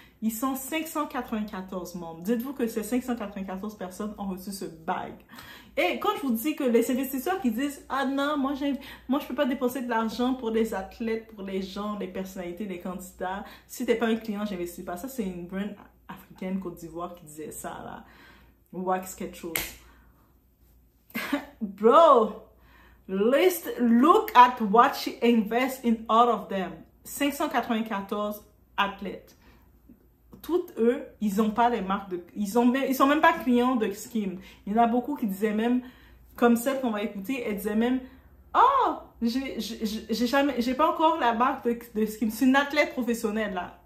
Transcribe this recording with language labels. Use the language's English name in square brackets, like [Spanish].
[French] Ils sont 594 membres. Dites-vous que ces 594 personnes ont reçu ce bague. Et quand je vous dis que les investisseurs qui disent « Ah non, moi je ne peux pas dépenser de l'argent pour les athlètes, pour les gens, les personnalités, les candidats. Si tu n'es pas un client, je n'investis pas. » Ça, c'est une brand africaine, Côte d'Ivoire, qui disait ça là. Wax quelque chose. [English] Bro, look at what she invests in all of them. [French] 594 athlètes. Toutes eux, ils n'ont pas les marques de... Ils sont même pas clients de Skim. Il y en a beaucoup qui disaient même, comme celle qu'on va écouter, elle disait même, « Oh, j'ai pas encore la marque de Skim. » C'est une athlète professionnelle, là.